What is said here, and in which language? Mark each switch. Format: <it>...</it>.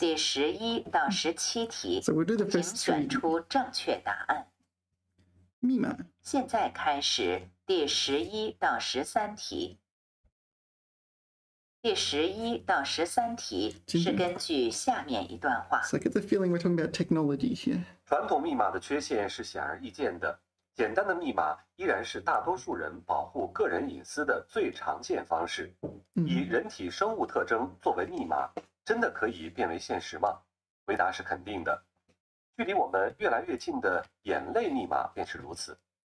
<zh>第十一到十七题。</zh> <en>So we'll do the first</en> <zh>three. 请选出正确答案。密码。现在开始第十一到十三题。第十一到十三题是根据下面一段话。</zh> <en>So I get the feeling we're talking about technology here.</en> <zh>传统密码的缺陷是显而易见的。简单的密码依然是大多数人保护个人隐私的最常见方式。以人体生物特征作为密码，真的可以变为现实吗？回答是肯定的。距离我们越来越近的眼泪密码便是如此。</zh>